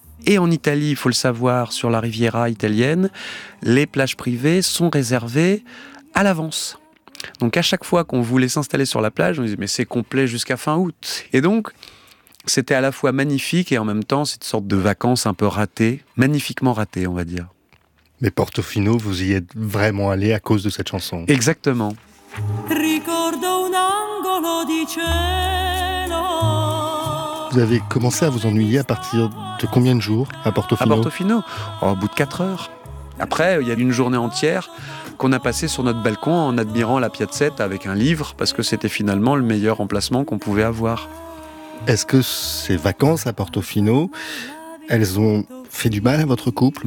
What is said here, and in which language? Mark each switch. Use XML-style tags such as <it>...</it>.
<fr>Et en Italie, il faut le savoir, sur la Riviera italienne, les plages privées sont réservées à l'avance. Donc à chaque fois qu'on voulait s'installer sur la plage, on disait « mais c'est complet jusqu'à fin août ». Et donc, c'était à la fois magnifique et en même temps, c'est une sorte de vacances un peu ratées, magnifiquement ratées, on va dire. Mais Portofino, vous y êtes vraiment allé à cause de cette chanson. Exactement.</fr> <it>Ricordo un angolo di cielo.</it> <fr>Vous avez commencé à vous ennuyer à partir de combien de jours à Portofino ? À Portofino, au bout de 4 heures. Après, il y a une journée entière qu'on a passée sur notre balcon en admirant la piazzetta avec un livre, parce que c'était finalement le meilleur emplacement qu'on pouvait avoir. Est-ce que ces vacances à Portofino, elles ont fait du mal à votre couple ?</fr>